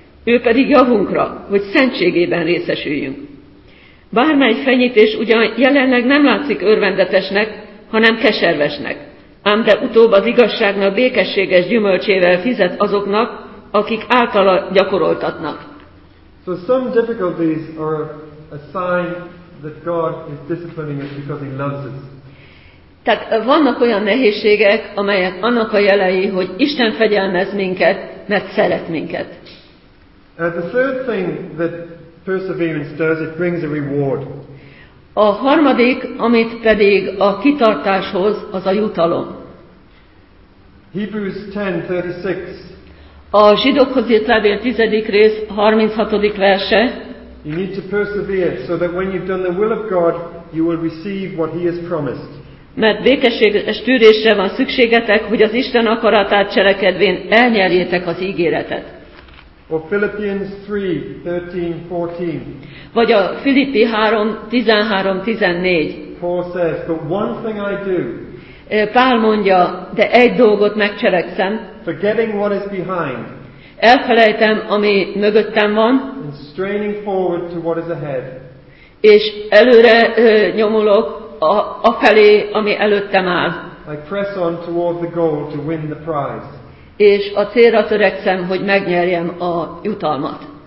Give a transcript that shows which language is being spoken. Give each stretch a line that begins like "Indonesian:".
Hungarian: Ő pedig javunkra, hogy szentségében részesüljünk. Bármely fenyítés ugyan jelenleg nem látszik örvendetesnek, hanem keservesnek, ám de utóbb az igazságnak békességes gyümölcsével fizet azoknak, akik általa gyakoroltatnak.
English: So some difficulties are a sign that God is disciplining us because he loves us.
Hungarian: Tehát vannak olyan nehézségek, amelyek annak a jelei, hogy Isten fegyelmez minket, mert szeret minket.
English: And the third thing that perseverance does, it brings a reward.
Hungarian: A harmadik, amit pedig a kitartáshoz, az a jutalom.
English: Hebrews 10:36.
Hungarian: A Zsidókhoz írt levél 10. rész 36. verse.
English: You need to persevere so that when you've done the will of God, you will receive what he has promised.
Hungarian: Mert békességes tűrésre van szükségetek, hogy az Isten akaratát cselekedvén elnyerjétek az ígéretet.
English: Or Philippians 3:13-14.
Hungarian: Vagy a Filippi 3:13-14.
English: Paul says, but one thing I do.
Hungarian: Pál mondja, de egy dolgot megcselekszem.
English: Forgetting what is behind.
Hungarian: Elfelejtem, ami mögöttem van.
English: And straining forward to what is ahead.
Hungarian: És előre nyomulok afelé, ami előttem áll.
English: I press on toward the goal to win the prize.
Hungarian: És a célra törekszem, hogy megnyerjem a jutalmat.